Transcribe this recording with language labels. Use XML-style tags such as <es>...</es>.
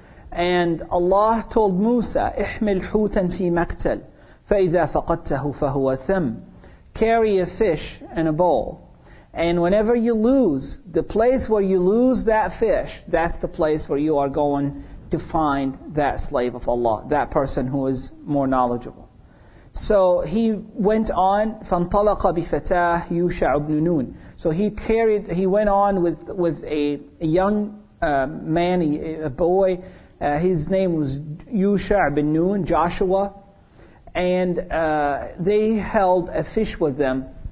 <en>And Allah told Musa,</en> <ar>احْمِلْ حُوتًا فِي مَكْتَلْ فَإِذَا فَقَدْتَهُ فَهُوَ ثَمْ,</ar> <en>carry a fish in a bowl, and whenever you lose, the place where you lose that fish, that's the place where you are going to find that slave of Allah, that person who is more knowledgeable. So he went on,</en> <ar>فَانْطَلَقَ بِفَتَاهِ يُوشَعُ بْنُ نُونَ.</ar> <en>So he went on with a young man, a boy. His name was يُوشَعُ بْنُ نُونَ, Joshua. And they held a fish with them.</en>